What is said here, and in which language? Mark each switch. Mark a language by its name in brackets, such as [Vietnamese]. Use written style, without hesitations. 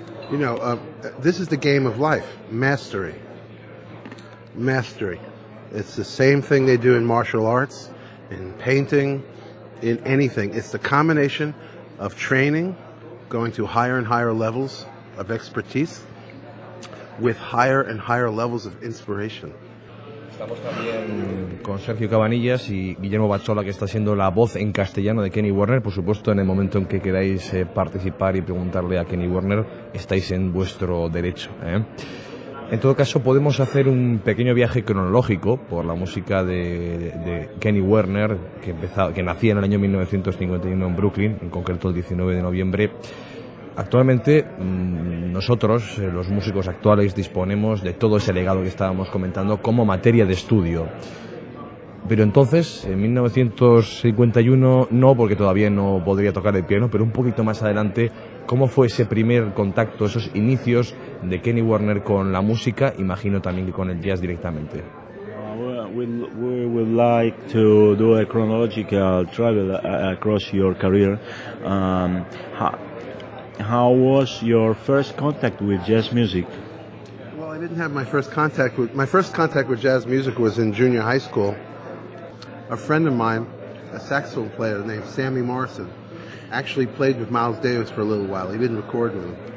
[English] You know, this is the game of life, mastery. Mastery. It's the same thing they do in martial arts, in painting, in anything. It's the combination of training, going to higher and higher levels of expertise, with higher and higher levels of inspiration. [Spanish] Estamos también con Sergio Cabanillas y Guillermo Bachola, que está siendo la voz en castellano de Kenny Werner. Por supuesto, en el momento en que queráis participar y preguntarle a Kenny Werner, estáis en vuestro derecho, ¿eh? En todo caso, podemos hacer un pequeño viaje cronológico por la música de Kenny Werner, que nacía en el año 1951 en Brooklyn, en concreto el 19 de noviembre. Actualmente, nosotros, los músicos actuales, disponemos de todo ese legado que estábamos comentando como materia de estudio. Pero entonces, en 1951, no, porque todavía no podría tocar el piano, pero un poquito más adelante, ¿cómo fue ese primer contacto, esos inicios de Kenny Werner con la música? Imagino también que con el jazz directamente. [English] We would like to do a chronological travel across your career. How was your first contact with jazz music? Well, I didn't have my first contact with... My first contact with jazz music was in junior high school. A friend of mine, a saxophone player named Sammy Morrison, actually played with Miles Davis for a little while. He didn't record with him.